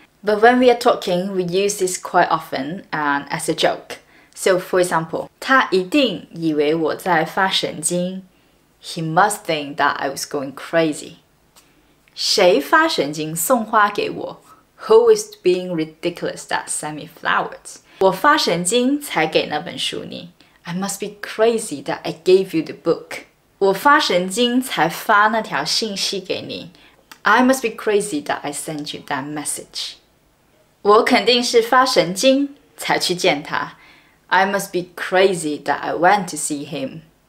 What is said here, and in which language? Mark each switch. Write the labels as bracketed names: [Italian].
[English] But when we are talking, we use this quite often and as a joke. So, for example, [Chinese] 他一定以为我在发神经, [English] he must think that I was going crazy. [Chinese] 谁发神经送花给我? [English] Who is being ridiculous that sent me flowers? [Chinese] 我发神经才给那本书你。 [English] I must be crazy that I gave you the book. [Chinese] 我发神经才发那条信息给你。 [English] I must be crazy that I sent you that message. [Chinese] 我肯定是发神经才去见他。 [English] I must be crazy that I went to see him.